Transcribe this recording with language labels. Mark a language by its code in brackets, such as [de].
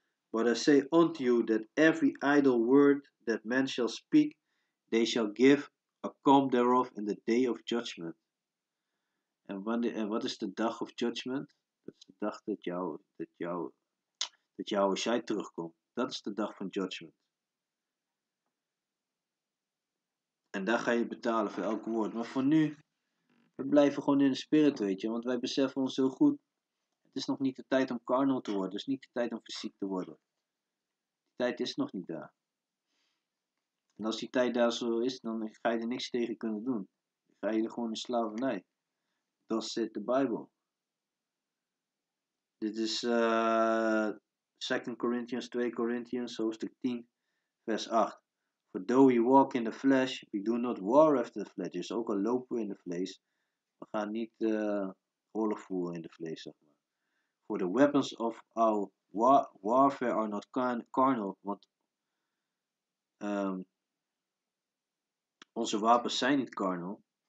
[en] But I say unto you that every idle word that man shall speak, they shall give a come thereof in the day of judgment. [nl] En wat is de dag of judgment? Dat is de dag dat jouw als jij terugkomt. Dat is de dag van judgment. En daar ga je betalen voor elk woord. Maar voor nu, we blijven gewoon in de spirit, weet je. Want wij beseffen ons heel goed. Het is nog niet de tijd om carnal te worden. Het is niet de tijd om fysiek te worden. De tijd is nog niet daar. En als die tijd daar zo is, dan ga je er niks tegen kunnen doen. Dan ga je er gewoon in slavernij. Dat zit de Bijbel. Dit is 2 Corinthians, 2 Corinthians, hoofdstuk 10, vers 8. [en] For though we walk in the flesh, we do not war after the flesh. [nl] Dus ook al lopen we in de vlees, we gaan niet oorlog voeren in de vlees, zeg maar. [en] For the weapons of our warfare are not carnal, but [nl] onze wapens zijn niet carnal.